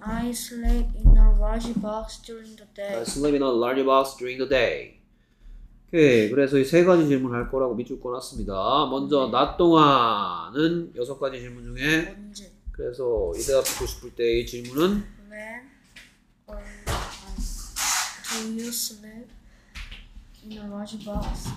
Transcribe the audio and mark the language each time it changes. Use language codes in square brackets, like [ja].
[en] I sleep in a large box during the day. I sleep in a large box during the day. [ko] 오케이 그래서 이 세 가지 질문을 할 거라고 밑줄 꺼놨습니다. 먼저 네. 낮 동안은 여섯 가지 질문 중에 언제? 그래서 이 대답 듣고 싶을 때 이 질문은 [en] When or do you sleep in a large box?